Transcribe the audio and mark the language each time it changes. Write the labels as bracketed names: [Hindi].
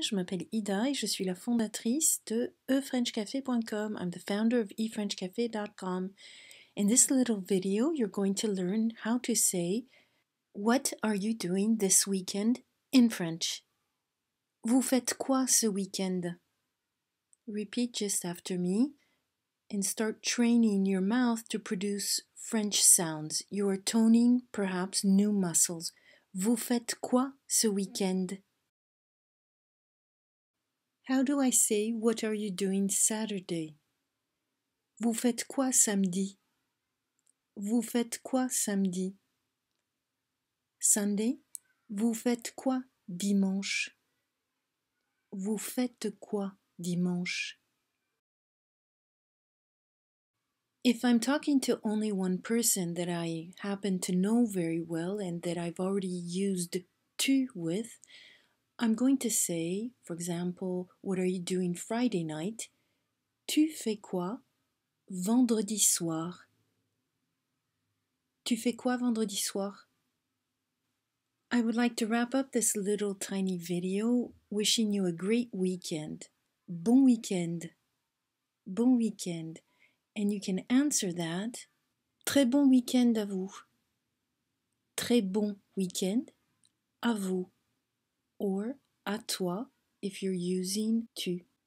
[French] Je m'appelle Ida et je suis la fondatrice de eFrenchCafe.com. [English] I'm the founder of eFrenchCafe.com. In this little video, you're going to learn how to say, what are you doing this weekend in French? [French] Vous faites quoi ce weekend? [English] Repeat just after me and start training your mouth to produce French sounds. You are toning perhaps new muscles. [French] Vous faites quoi ce weekend? [English] How do I say what are you doing Saturday? [French] Vous faites quoi samedi? Vous faites quoi samedi? Sunday, vous faites quoi dimanche? Vous faites quoi dimanche? [English] If I'm talking to only one person that I happen to know very well and that I've already used tu with, I'm going to say, for example, what are you doing Friday night? [French] Tu fais quoi vendredi soir? Tu fais quoi vendredi soir? [English] I would like to wrap up this little tiny video wishing you a great weekend. [French] Bon weekend. Bon weekend. [English] And you can answer that, [French] très bon week-end à vous. Très bon week-end à vous. Or à toi, [English] if you're using [French] tu.